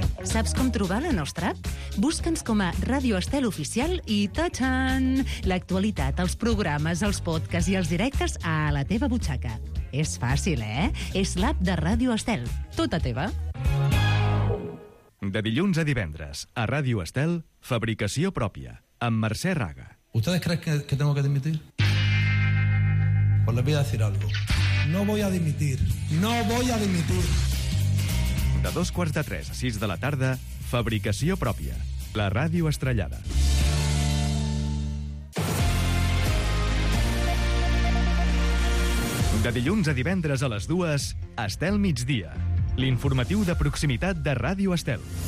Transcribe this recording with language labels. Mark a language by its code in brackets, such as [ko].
[ca] Saps com trobar la nostra app? Busca'ns com a Ràdio Estel Oficial i ta-chan! L'actualitat, els programes, els podcasts i els directes a la teva butxaca. És fàcil, eh? És l'app de Ràdio Estel. Tota teva. De dilluns a divendres, a Ràdio Estel, fabricació pròpia, amb Mercè Raga. [es] ¿Ustedes creen que tengo que dimitir? Pues les voy a decir algo. No voy a dimitir. No voy a dimitir. [ca] De 2:45 a 6 de la tarda, fabricació pròpia, la ràdio estrellada. De dilluns a divendres a les 2, Estel Migdia, l'informatiu de proximitat de Ràdio Estel.